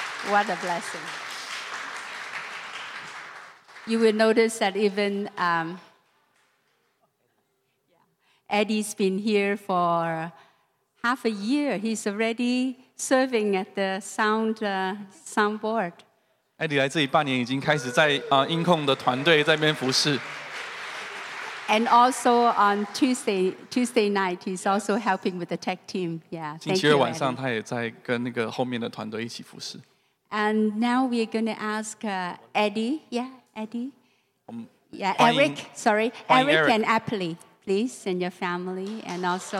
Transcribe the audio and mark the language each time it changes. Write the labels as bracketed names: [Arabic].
[English] What a blessing. You will notice that even Eddie's been here for half a year. He's already serving at the sound board. [Chinese] Eddie 来这里半年已经开始在 音控的团队在那边服侍。 [English] And also on Tuesday night, he's also helping with the tech team. Yeah, thank you, Eddie. And now we're going to ask Eddie. Yeah, Eddie. Eric and Apple, please, and your family, and also...